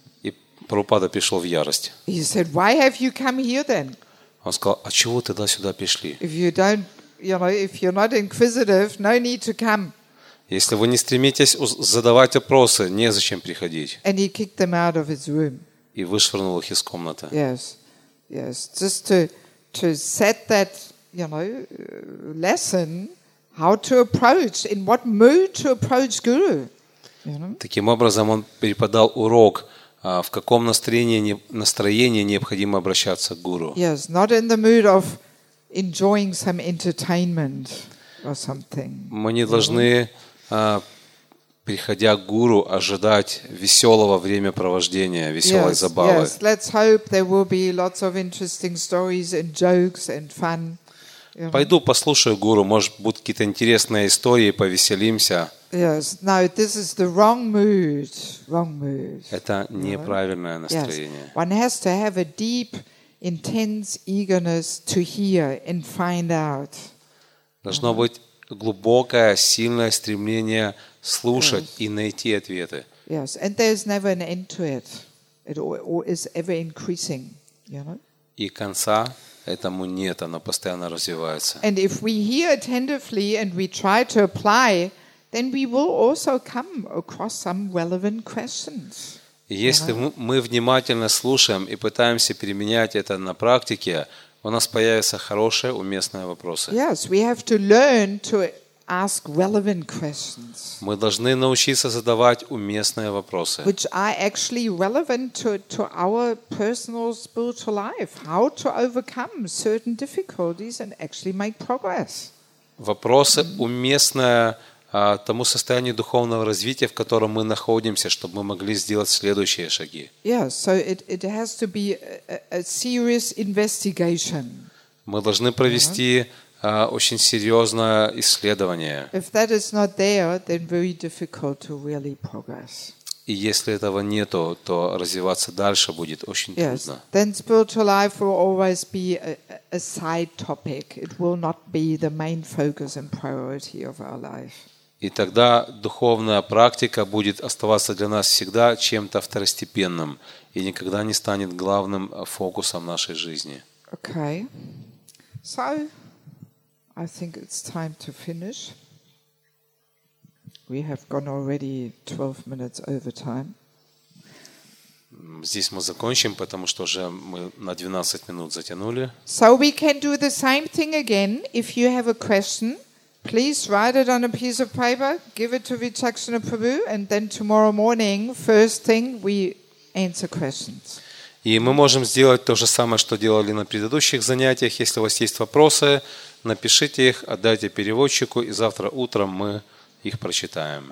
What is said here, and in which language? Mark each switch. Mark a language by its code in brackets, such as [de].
[ru] И Прабхупада пришел в ярость. [en] He said, why have you come here then? [ru] Он сказал, а чего тогда сюда пришли? [en] If you don't, you know, if you're not inquisitive, no need to come. [ru] Если вы не стремитесь задавать вопросы, незачем приходить. [en] And he kicked them out of his room. [ru] И вышвырнул их из комнаты. [en] Yes, yes. Just to set that, you know, lesson, how to approach, in what mood to approach guru. [ru] Таким образом, он преподал урок, в каком настроении необходимо обращаться к гуру. [en] Yes, not in the mood of enjoying some entertainment or something. [ru] Мы не должны приходя к гуру, ожидать веселого времяпровождения, веселой [en] yes, [ru] забавы. [en] Yes, let's hope there will be lots of interesting stories and jokes and fun. [ru] Пойду послушаю гуру, может, будут какие-то интересные истории, повеселимся. [en] Yes, no, this is the wrong mood. [ru] Это неправильное настроение. [en] Yes. One has to have a deep, intense eagerness to hear and find out. [ru] Должно быть глубокое, сильное стремление слушать [en] yes. [ru] и найти ответы. [en] Yes, and there's never an end to it. It is ever increasing, you know? [ru] И конца этому нет, оно постоянно развивается. [en] And if we hear attentively and we try to apply, then we will also come across some relevant questions. [ru] И если мы внимательно слушаем и пытаемся применять это на практике, у нас появятся хорошие, уместные вопросы. [en] Yes, we have to learn to ask relevant questions. [ru] Мы должны научиться задавать уместные вопросы. [en] Which are actually relevant to our personal spiritual life. How to overcome certain difficulties and actually make progress. [ru] Вопросы уместные тому состоянию духовного развития, в котором мы находимся, чтобы мы могли сделать следующие шаги. [en] Yeah, so it has to be a serious investigation. [ru] Мы должны провести очень серьезное исследование. [en] If that is not there, then very difficult to really progress. [ru] И если этого нету, то развиваться дальше будет очень трудно. [en] Yes. Then spiritual life will always be a side topic. It will not be the main focus and priority of our life. [ru] И тогда духовная практика будет оставаться для нас всегда чем-то второстепенным и никогда не станет главным фокусом нашей жизни. [en] Okay. So I think it's time to finish. We have gone already 12 minutes over time. [ru] Здесь мы закончим, потому что уже мы на 12 минут затянули. [en] So we can do the same thing again. If you have a question, please write it on a piece of paper, give it to Vichakshana Prabhu, and then tomorrow morning, first thing, we answer questions. [ru] И мы можем сделать то же самое, что делали на предыдущих занятиях. Если у вас есть вопросы, напишите их, отдайте переводчику, и завтра утром мы их прочитаем.